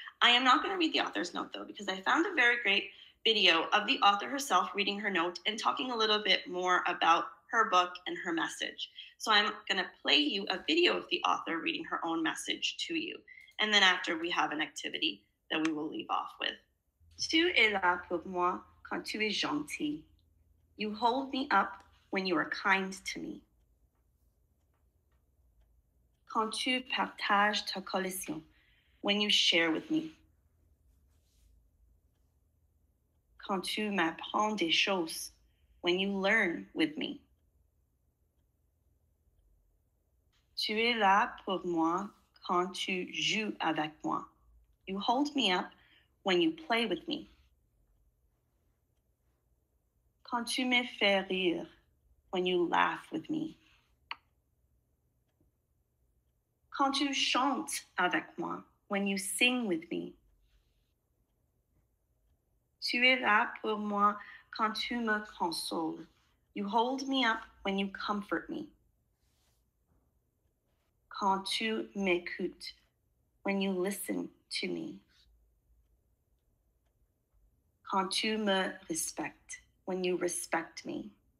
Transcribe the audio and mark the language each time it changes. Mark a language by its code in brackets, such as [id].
[en] I am not gonna read the author's note though, because I found a very great video of the author herself reading her note and talking a little bit more about her book and her message. So I'm going to play you a video of the author reading her own message to you. And then after, we have an activity that we will leave off with. [fr] Tu es là pour moi quand tu es gentil. [en] You hold me up when you are kind to me. [fr] Quand tu partages ta collection, [en] when you share with me. [fr] Quand tu m'apprends des choses, [en] when you learn with me. [fr] Tu es là pour moi quand tu joues avec moi. [en] You hold me up when you play with me. [fr] Quand tu me fais rire, [en] when you laugh with me. [fr] Quand tu chantes avec moi, [en] when you sing with me. [fr] Tu es là pour moi quand tu me consoles. [en] You hold me up when you comfort me. [fr] Quand tu m'écoutes, [en] when you listen to me. [fr] Quand tu me respectes, [en] when you respect me.